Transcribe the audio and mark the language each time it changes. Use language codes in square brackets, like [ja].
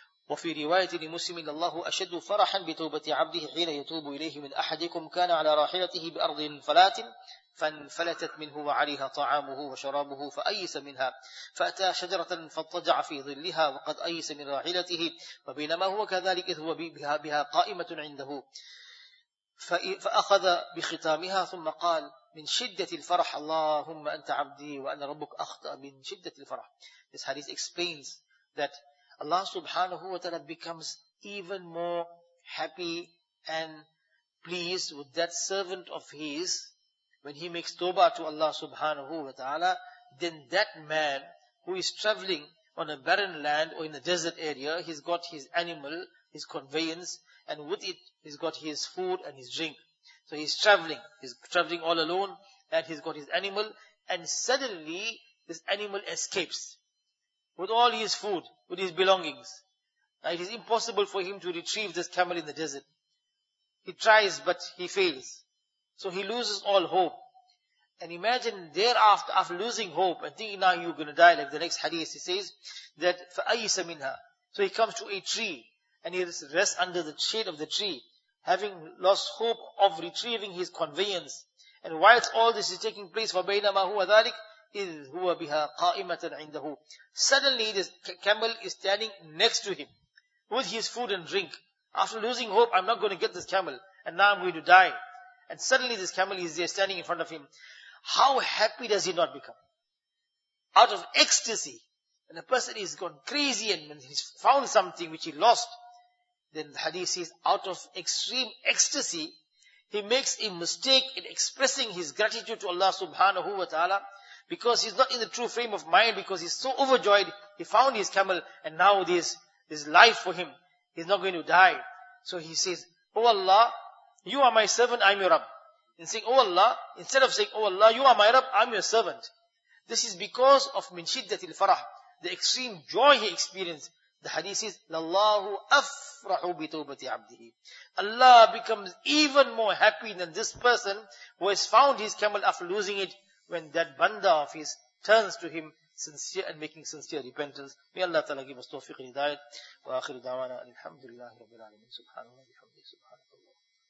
[ar] وفي رواية لمسلم الله أشد فرحا بتوبة عبده حين يتوب إليه من أحدكم كان على راحلته بأرض فلات فانفلتت منه وعليها طعامه وشرابه فأيس منها فأتى شجرة فاضطجع في ظلها وقد أيس من راحلته وبينما هو كذلك إذ هو بها قائمة عنده فأخذ بختامها ثم قال من شدة الفرح اللهم أنت عبدي وأنا ربك أخطأ من شدة الفرح. [en] This hadith explains that Allah subhanahu wa ta'ala becomes even more happy and pleased with that servant of his when he makes tawbah to Allah subhanahu wa ta'ala than that man who is traveling on a barren land or in a desert area. He's got his animal, his conveyance, and with it he's got his food and his drink. So he's traveling all alone, and he's got his animal, and suddenly this animal escapes with all his food, with his belongings. Now it is impossible for him to retrieve this camel in the desert. He tries, but he fails. So he loses all hope. And imagine thereafter, after losing hope, and thinking now you're going to die, like the next hadith, he says, that [ar] فَأَيْسَ مِنْهَا. [en] So he comes to a tree, and he rests under the shade of the tree, having lost hope of retrieving his conveyance. And whilst all this is taking place, [ar] فَبَيْنَمَا هُوَ ذَلِكَ إِذْ هُوَ بِهَا قَائِمَةً عِنْدَهُ. [en] Suddenly this camel is standing next to him with his food and drink. After losing hope, I'm not going to get this camel and now I'm going to die. And suddenly this camel is there standing in front of him. How happy does he not become? Out of ecstasy, when a person has gone crazy and when he's found something which he lost, then the hadith says, out of extreme ecstasy, he makes a mistake in expressing his gratitude to Allah subhanahu wa ta'ala, because he's not in the true frame of mind, because he's so overjoyed, he found his camel, and now this is life for him. He's not going to die. So he says, Oh Allah, you are my servant, I'm your Rabb. And saying, Oh Allah, instead of saying, Oh Allah, you are my Rabb, I'm your servant. This is because of min shiddatil farah, the extreme joy he experienced. The hadith says, [ar] لَاللَّهُ أَفْرَحُ بِتَوْبَةِ عَبْدِهِ. [en] Allah becomes even more happy than this person who has found his camel after losing it, when that banda of his turns to him sincere and making sincere repentance. May Allah Ta'ala give us tawfiq and hidayat. [ar] وَآخِرُ دَعْوَانَا الْحَمْدُ لِلَّهِ رَبِّ الْعَالَمِينَ سُبْحَانَ اللَّهِ وَبِحَمْدِهِ سُبْحَانَ اللَّهِ.